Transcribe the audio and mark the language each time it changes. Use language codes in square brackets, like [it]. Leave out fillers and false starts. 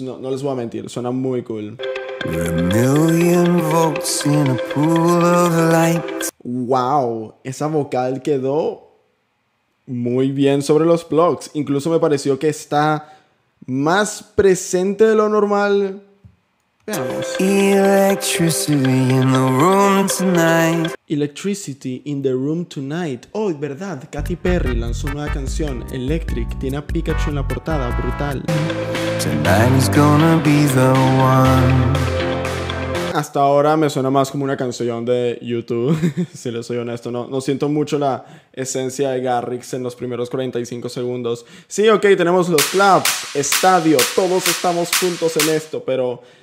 [es] No, no les voy a mentir, suena muy cool. [en] A million volts in a pool of light. [es] Wow, esa vocal quedó muy bien sobre los blogs. Incluso me pareció que está más presente de lo normal. Veamos. [en] Electricity in the room tonight. Electricity in the room tonight. [es] Oh, verdad, Katy Perry lanzó una nueva canción, Electric. Tiene a Pikachu en la portada, brutal. [en] Tonight is gonna be the one. [es] Hasta ahora me suena más como una canción de YouTube. Si le soy honesto, no siento mucho la esencia de Garrix en los primeros 45 segundos. Sí, ok, tenemos los claps, estadio, todos estamos juntos en esto, pero...